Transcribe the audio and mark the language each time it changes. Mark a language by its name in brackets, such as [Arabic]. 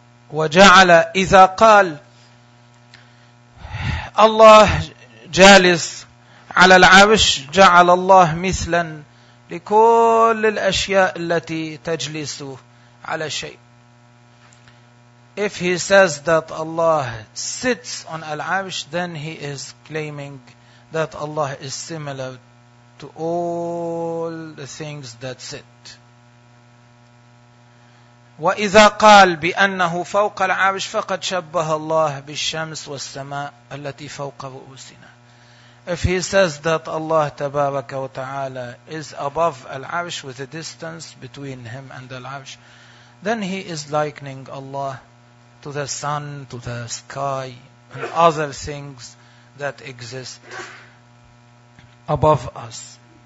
[Arabic] وجعل إذا قال الله جالس على العرش جعل الله مثلا لكل الأشياء التي تجلس على شيء. [English] If he says that Allah sits on العرش, then he is claiming that Allah is similar to all the things that sit. [Arabic] وإذا قال بأنه فوق العرش فقد شبه الله بالشمس والسماء التي فوق رؤوسنا. [English] If he says that Allah Tabaraka wa Ta'ala is above Al-Arsh with a distance between him and Al-Arsh, then he is likening Allah to the sun, to the sky, and other things that exist above us.